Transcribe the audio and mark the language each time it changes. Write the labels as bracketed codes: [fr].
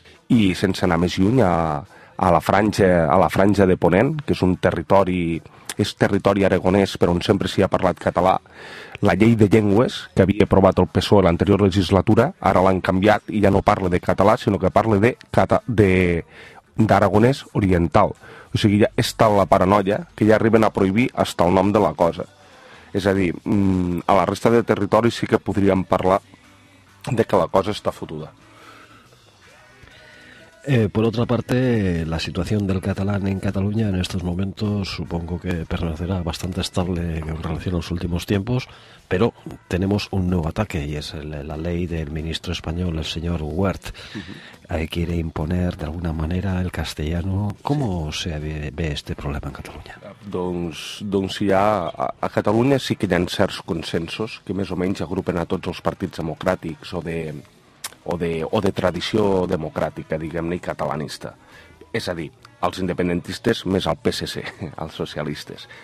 [ca] I sense anar més lluny, a la franja de Ponent, que és un territori, és territori aragonès, però on sempre s'hi ha parlat català, la llei de llengües que havia aprovat el PSOE a l'anterior legislatura, ara l'han canviat i ja no parla de català, sinó que parla d'aragonès oriental. O sigui, ja és tal la paranoia que ja arriben a prohibir fins al nom de la cosa. És a dir, a la resta de territori sí que podríem parlar de que la cosa està fotuda. [es] Por otra parte, la situación del catalán en Cataluña en estos momentos supongo que permanecerá bastante estable en relación a los últimos tiempos, pero tenemos un nuevo ataque y es la ley del ministro español, el señor Wert, que quiere imponer de alguna manera el castellano. ¿Cómo se ve este problema en Cataluña? [ca] Doncs hi ha, a Catalunya sí que hi ha certs consensos que més o menys agrupen a tots els partits democràtics o de tradició democràtica, diguem-ne, i catalanista. És a dir, els independentistes més el PSC, els socialistes.